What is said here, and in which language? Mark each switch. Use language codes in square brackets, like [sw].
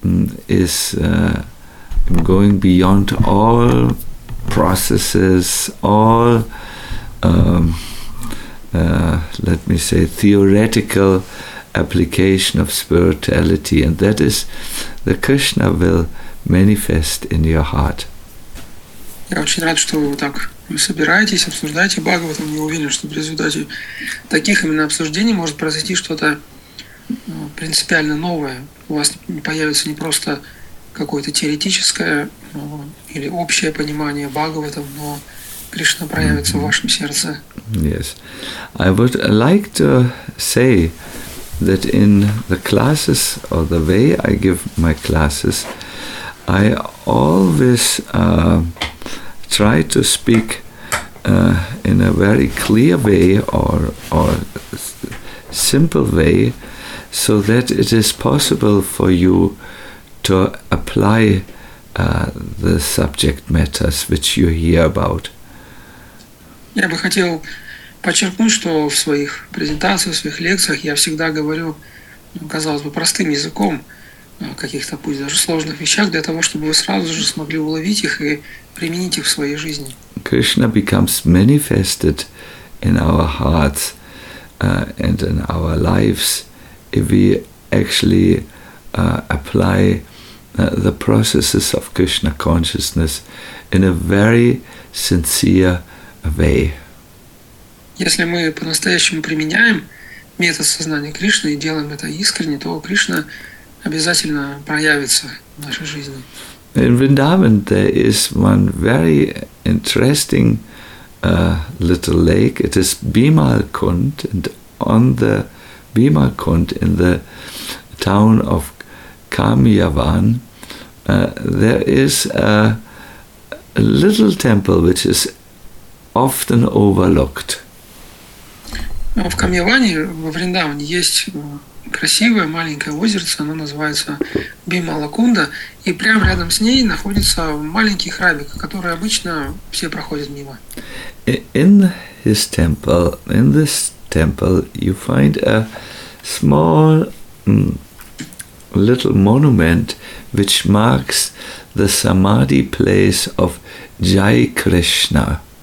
[en] is going beyond all processes, all let me say theoretical application of spirituality, and that is the Krishna will manifest in your heart. [ru] Я очень рад, что вы так собираетесь, обсуждаете Бхагаватам. Я уверен, что в результате таких именно обсуждений может произойти что-то принципиально новое. У вас появится не просто какое-то теоретическое или общее понимание Бхагаватам, но Кришна проявится в вашем сердце. [en] Yes. I would like to say that in the classes or the way I give my classes, I always try to speak in a very clear way or simple way, so that it is possible for you to apply the subject matters which you hear about. [ru] Я бы хотел подчеркнуть, что в своих презентациях, в своих лекциях я всегда говорю, казалось бы, простым языком каких-то, пусть даже сложных вещах, для того, чтобы вы сразу же смогли уловить их и применить их в своей жизни. [en] Krishna becomes manifested in our hearts and in our lives if we actually apply the processes of Krishna consciousness in a very sincere way. [ru] Если мы по-настоящему применяем метод сознания Кришны и делаем это искренне, то Кришна обязательно проявится в нашей жизни. [en] In Vrindavan there is one very interesting little lake. It is Bimalkund, and on the Bimalkund in the town of Kamyavan, there is a little temple which is often overlooked. [ru] В Камьяване, во Вриндаване, есть красивое маленькое озерце, оно называется Бималакунда, и прямо рядом с ней находится маленький храмик, который обычно все проходят мимо. [en] In his temple, in this temple, you find a small little monument which marks the samadhi place of Jai Krishna.